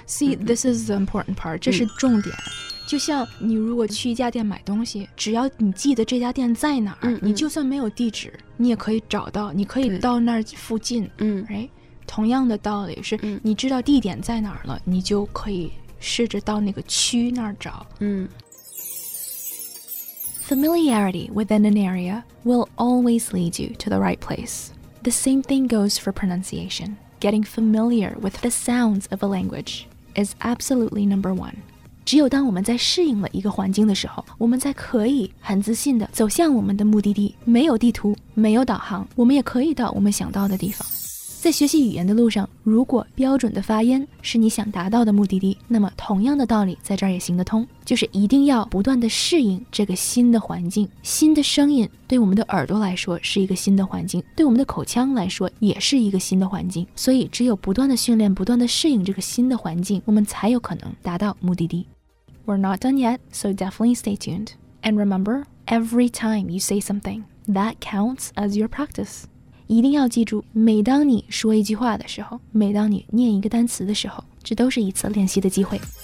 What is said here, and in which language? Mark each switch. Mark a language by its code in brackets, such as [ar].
[en] See、this is the important part， [zh] 这是重点、就像你如果去一家店买东西，只要你记得这家店在哪儿、你就算没有地址你也可以找到，你可以到那儿附近。 [en] right？ [zh] 同样的道理是，你知道地点在哪儿了、你就可以试着到那个区那儿找。 [en] Familiarity within an area will always lead you to the right place. The same thing goes for pronunciation. Getting familiar with the sounds of a language is absolutely number one. [zh] 只有当我们在适应了一个环境的时候，我们才可以很自信地走向我们的目的地。没有地图，没有导航，我们也可以到我们想到的地方。在学习语言的路上，如果标准的发音是你想达到的目的地，那么同样的道理在这儿也行得通，就是一定要不断地适应这个新的环境。新的声音对我们的耳朵来说是一个新的环境，对我们的口腔来说也是一个新的环境，所以只有不断地训练，不断地适应这个新的环境，我们才有可能达到目的地。 [en] We're not done yet, so definitely stay tuned. And remember, every time you say something, that counts as your practice. [zh] 一定要记住，每当你说一句话的时候，每当你念一个单词的时候，这都是一次练习的机会。